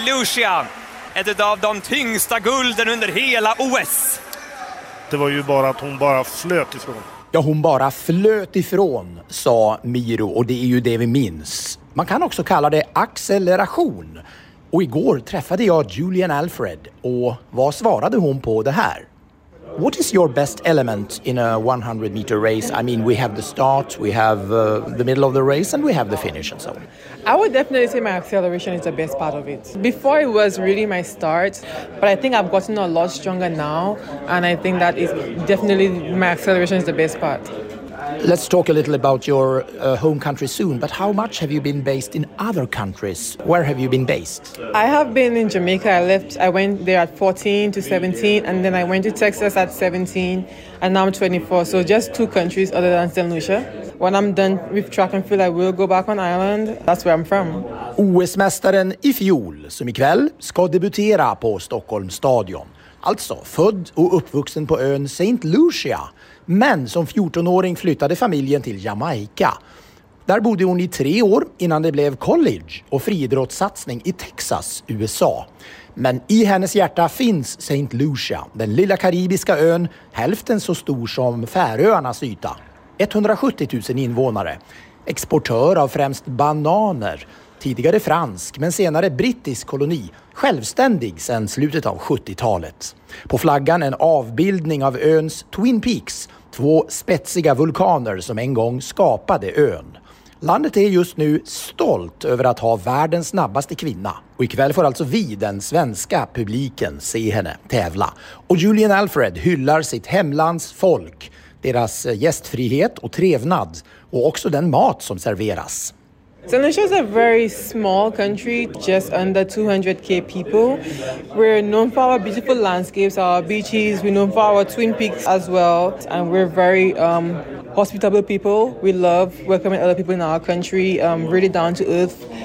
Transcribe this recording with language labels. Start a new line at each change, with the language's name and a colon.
Swedish: Lucia. Ett av de tyngsta gulden under hela OS. Det var ju bara att hon bara flöt ifrån. Ja, hon bara flöt ifrån, sa Miro, och det är ju det vi minns. Man kan också kalla det acceleration. Och igår träffade jag Julian Alfred, och vad svarade hon på det här?
English: What is your best element in a 100 meter race? I mean, we have the start, we have the middle of the race, and we have the finish and so on. I would definitely say my acceleration is the best part of it. Before it was really my start, but I think I've gotten a lot stronger now, and I think that is definitely my acceleration is the best part. Let's talk a little about your home country soon, but how much have you been based in other countries? Where have you been based? I have been in Jamaica. I went there at 14 to 17, and then I went to Texas at 17, and now I'm 24, so just 2 countries other than St. Lucia. When I'm done with track and field, I will go back on Ireland. That's where I'm from.
Swedish: OS-mästaren i fjol, som ikväll ska debutera på Stockholms stadion. Alltså född och uppvuxen på ön St. Lucia. Men som 14-åring flyttade familjen till Jamaica. Där bodde hon i 3 år innan det blev college och friidrottssatsning i Texas, USA. Men i hennes hjärta finns St. Lucia, den lilla karibiska ön, hälften så stor som Färöarnas yta. 170 000 invånare. Exportör av främst bananer. Tidigare fransk, men senare brittisk koloni. Självständig sedan slutet av 70-talet. På flaggan en avbildning av öns Twin Peaks. Två spetsiga vulkaner som en gång skapade ön. Landet är just nu stolt över att ha världens snabbaste kvinna. Och ikväll får alltså vi, den svenska publiken, se henne tävla. Och Julian Alfred hyllar sitt hemlands folk, deras gästfrihet och trevnad och också den mat som serveras.
English: Indonesia is a very small country, just under 200k people. We're known for our beautiful landscapes, our beaches, we're known for our Twin Peaks as well. And we're very hospitable people. We love welcoming other people in our country, really down to earth.